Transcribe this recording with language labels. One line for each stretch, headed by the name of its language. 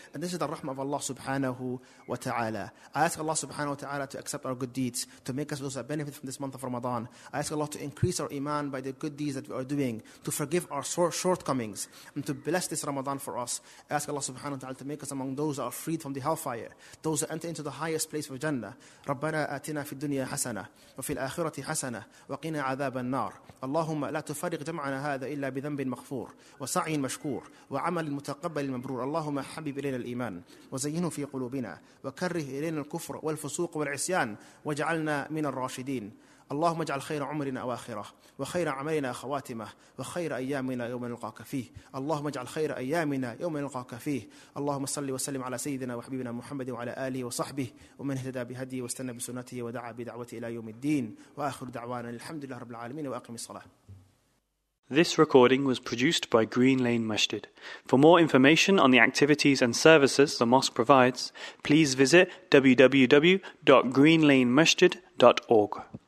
English: And this is the rahmah of Allah subhanahu wa ta'ala. I ask Allah subhanahu wa ta'ala to accept our good deeds, to make us those that benefit from this month of Ramadan. I ask Allah to increase our iman by the good deeds that we are doing, to forgive our shortcomings, and to bless this Ramadan for us. I ask Allah subhanahu wa ta'ala to make us among those that are freed from the hellfire, those that enter into the highest place of Jannah.
Arabic: رَبَّنَا آتِنَا فِي الدُّنْيَا حَسَنَةً وَفِي الْآخِرَةِ حَسَنَةً وَقِنَا عَذَابَ النَّارِ. اللهم لا تفرق جمعنا هذا إلا بذنب مغفور وسعي مشكور وعمل متقبل مبرور. اللهم حبب إلينا الإيمان وزينه في قلوبنا وكره إلينا الكفر والفسوق والعصيان وجعلنا من الراشدين. اللهم اجعل خير عمرنا أواخرة وخير عملنا خواتمة وخير أيامنا يوم نلقاك فيه. اللهم اجعل خير أيامنا يوم نلقاك فيه. اللهم صل وسلم على سيدنا وحبيبنا محمد وعلى آله وصحبه ومن اهتدى بهديه واستنى بسنته ودعا بدعوته إلى يوم الدين. وآخر دعوانا الحمد لله رب العالمين وأقم الصلاة.
English: This recording was produced by Green Lane Masjid. For more information on the activities and services the mosque provides, please visit www.greenlanemasjid.org.